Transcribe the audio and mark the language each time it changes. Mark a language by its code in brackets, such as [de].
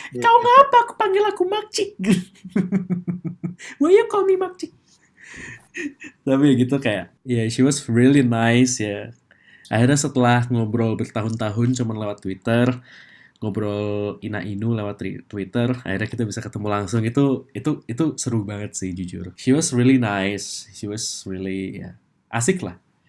[ms] Kau ngapa aku panggil aku Makcik? [en] Why you call me Makcik? [id] Tapi gitu kayak, [en] yeah, she was really nice [id] ya. Akhirnya setelah ngobrol bertahun-tahun cuma lewat Twitter, ngobrol ina-inu lewat Twitter, akhirnya kita bisa ketemu langsung, itu seru banget sih jujur. [en] She was really nice, she was really yeah, [id] asik lah.